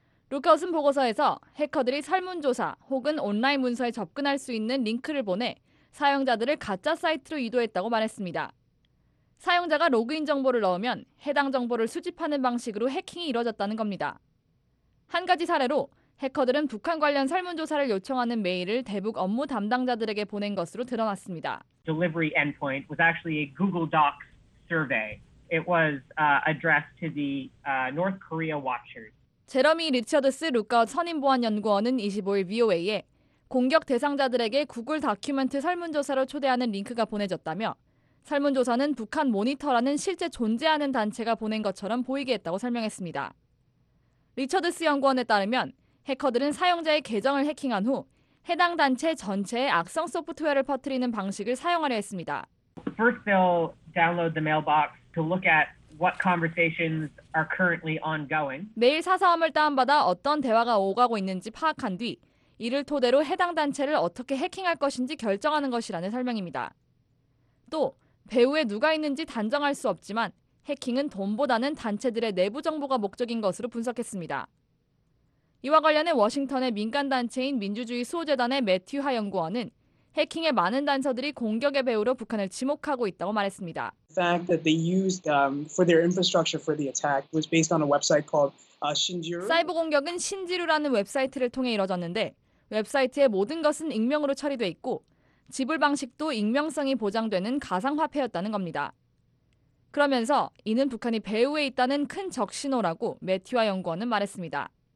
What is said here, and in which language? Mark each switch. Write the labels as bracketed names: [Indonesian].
[Korean] 룩아웃은 보고서에서 해커들이 설문조사 혹은 온라인 문서에 접근할 수 있는 링크를 보내 사용자들을 가짜 사이트로 유도했다고 말했습니다. 사용자가 로그인 정보를 넣으면 해당 정보를 수집하는 방식으로 해킹이 이뤄졌다는 겁니다. 한 가지 사례로 해커들은 북한 관련 설문조사를 요청하는 메일을 대북 업무 담당자들에게 보낸 것으로 드러났습니다. [English] Delivery endpoint was actually a Google Docs survey. It was addressed to the North Korea watchers. [Korean] 제러미 리처드스 룩아웃 선임 보안 연구원은 25일 VOA에 공격 대상자들에게 구글 다큐멘트 설문조사로 초대하는 링크가 보내졌다며 설문조사는 북한 모니터라는 실제 존재하는 단체가 보낸 것처럼 보이게 했다고 설명했습니다. 리처드스 연구원에 따르면 해커들은 사용자의 계정을 해킹한 후 해당 단체 전체에 악성 소프트웨어를 퍼뜨리는 방식을 사용하려 했습니다. [English] First they'll download the mailbox to look at what conversations are currently ongoing. [Korean] 메일 사서함을 다운받아 어떤 대화가 오가고 있는지 파악한 뒤 이를 토대로 해당 단체를 어떻게 해킹할 것인지 결정하는 것이라는 설명입니다. 또 배후에 누가 있는지 단정할 수 없지만 해킹은 돈보다는 단체들의 내부 정보가 목적인 것으로 분석했습니다. 이와 관련해 워싱턴의 민간단체인 민주주의 수호재단의 매튜 하 연구원은 해킹의 많은 단서들이 공격의 배후로 북한을 지목하고 있다고 말했습니다. [English] The fact that they used for their infrastructure for the attack was based on a website called Shinjiru. [Korean] 사이버 공격은 신지루라는 웹사이트를 통해 이뤄졌는데 웹사이트의 모든 것은 익명으로 처리돼 있고 지불 방식도 익명성이 보장되는 가상화폐였다는 겁니다. 그러면서 이는 북한이 배후에 있다는 큰 적신호라고 매튜와 연구원은 말했습니다.